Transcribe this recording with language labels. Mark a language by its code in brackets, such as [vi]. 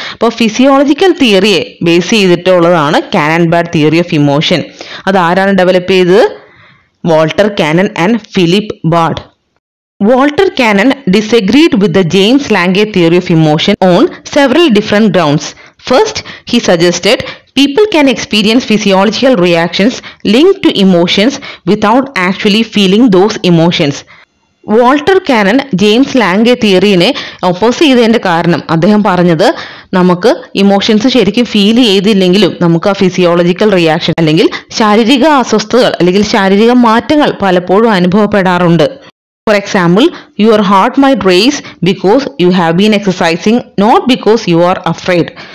[ml] അപ്പോൾ physiological തിയറിയെ base ചെയ്തിട്ടുള്ളതാണ് Canon bad theory of emotion. അത് ആരാണ് ഡെവലപ്പ് ചെയ്തത്? Walter Canon and Philip Bard. [en] Walter Cannon disagreed with the James Lange theory of emotion on several different grounds. First, he suggested people can experience physiological reactions linked to emotions without actually feeling those emotions. [ml] Walter Canon James ലാംഗെ തിയറിനെ oppose ചെയ്തതിൻ്റെ കാരണം അദ്ദേഹം പറഞ്ഞത് നമുക്ക് emotions ശരിക്കും feel ചെയ്തില്ലെങ്കിലും നമുക്ക് ആ physiological reaction അല്ലെങ്കിൽ ശാരീരിക അസ്വസ്ഥതകൾ അല്ലെങ്കിൽ ശാരീരിക മാറ്റങ്ങൾ പലപ്പോഴും അനുഭവപ്പെടാറുണ്ട്. [en] For example, your heart might race because you have been exercising, not because you are afraid.